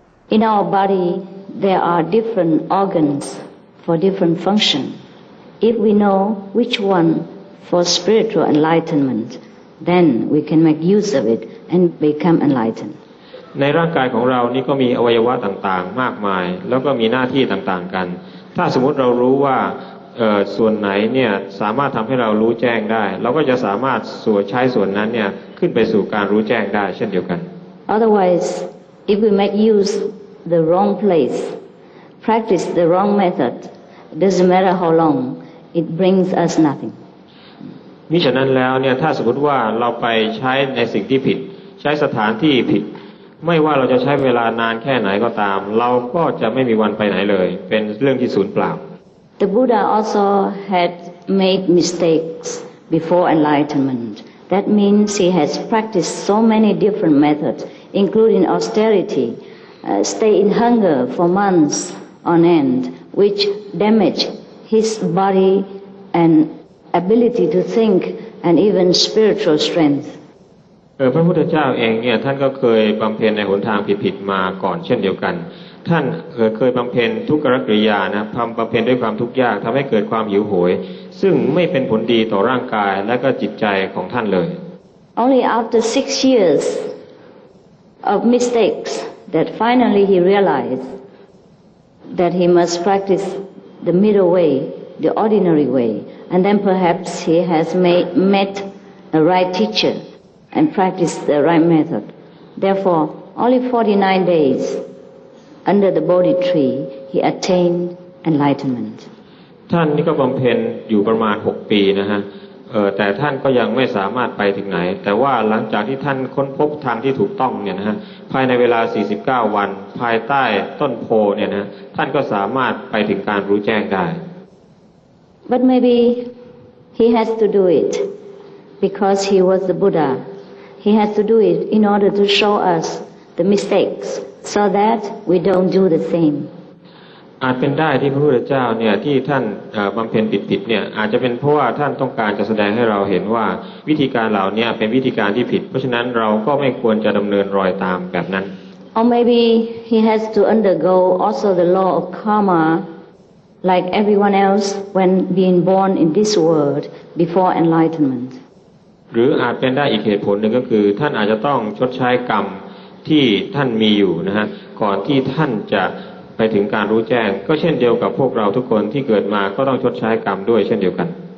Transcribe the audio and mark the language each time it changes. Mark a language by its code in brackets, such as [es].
[en] In our body, there are different organs for different function. If we know which one for spiritual enlightenment, then we can make use of it and become enlightened. [th] ในร่างกายของเรานี่ก็มีอวัยวะต่างๆมากมายแล้วก็มีหน้าที่ต่างๆกันถ้าสมมติเรารู้ว่าส่วนไหนเนี่ยสามารถทำให้เรารู้แจ้งได้เราก็จะสามารถส่วนใช้ส่วนนั้นเนี่ยขึ้นไปสู่การรู้แจ้งได้เช่นเดียวกัน [en] Otherwise,If we make use the wrong place, practice the wrong method, it doesn't matter how long, it brings us nothing. [th] มิฉะนั้นแล้วเนี่ยถ้าสมมติว่าเราไปใช้ในสิ่งที่ผิดใช้สถานที่ผิดไม่ว่าเราจะใช้เวลานานแค่ไหนก็ตามเราก็จะไม่มีวันไปไหนเลยเป็นเรื่องที่สูญเปล่า [en] The Buddha also had made mistakes before enlightenment. That means he has practiced so many different methods. Including austerity, stay in hunger for months on end, which damage his body and ability to think and even spiritual strength. [th] พระพุทธเจ้าเองเนี่ยท่านก็เคยบำเพ็ญในหนทางผิดๆมาก่อนเช่นเดียวกันท่านเคยบำเพ็ญทุกขกิริยานะทำบำเพ็ญด้วยความทุกข์ยากทำให้เกิดความหิวโหยซึ่งไม่เป็นผลดีต่อร่างกายและก็จิตใจของท่านเลย [en] Only after 6 years. Of mistakes that finally he realized that he must practice the middle way, the ordinary way, and then perhaps he has met the right teacher and practiced the right method. Therefore, only 49 days under the Bodhi tree, he attained enlightenment. [th] ท่านนี่ก็บำเพ็ญอยู่ประมาณ6ปีนะฮะแต่ท่านก็ยังไม่สามารถไปถึงไหนแต่ว่าหลังจากที่ท่านค้นพบทางที่ถูกต้องเนี่ยนะฮะภายในเวลา49วันภายใต้ต้นโพเนี่ยนะท่านก็สามารถไปถึงการรู้แจ้งได้ [en] But maybe he has to do it because he was the Buddha. He has to do it in order to show us the mistakes so that we don't do the same [th] อาจเป็นได้ที่พระพุทธเจ้าเนี่ยที่ท่านบำเพ็ญผิดๆเนี่ยอาจจะเป็นเพราะว่าท่านต้องการจะแสดงให้เราเห็นว่าวิธีการเหล่านี้เป็นวิธีการที่ผิดเพราะฉะนั้นเราก็ไม่ควรจะดำเนินรอยตามแบบนั้น [en] Or maybe he has to undergo also the law of karma like everyone else when being born in this world before enlightenment [th] หรืออาจเป็นได้อีกเหตุผลนึงก็คือท่านอาจจะต้องชดใช้กรรมที่ท่านมีอยู่นะฮะก่อนที่ท่านจะไปถึงการรู้แจ้งก็เช่นเดียวกับพวกเราทุกคนที่เกิดมาก็ต้องชดใช้กรรมด้วยเช่นเดียวกัน